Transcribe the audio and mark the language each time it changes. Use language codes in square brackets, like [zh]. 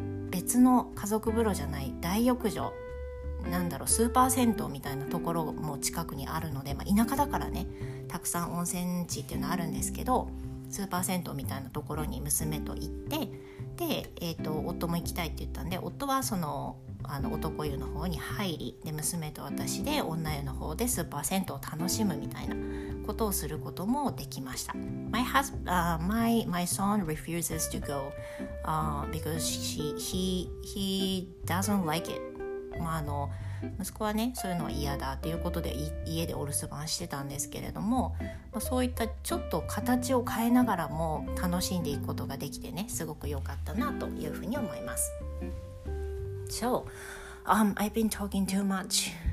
[ja] 別の家族風呂じゃない大浴場、なんだろう、スーパー銭湯みたいなところも近くにあるので、まあ、田舎だからね、たくさん温泉地っていうのあるんですけど、スーパー銭湯みたいなところに娘と行って、で、夫も行きたいって言ったんで、夫はその男湯の方に入り、で娘と私で女湯の方でスーパー銭湯を楽しむみたいなことをすることもできました。 [en] My son refuses to go because he doesn't like it。 [ja] まあ息子はね、そういうのは嫌だということで家でお留守番してたんですけれども、そういったちょっと形を変えながらも楽しんでいくことができてね、すごく良かったなというふうに思います。 [en] So I've been talking too much。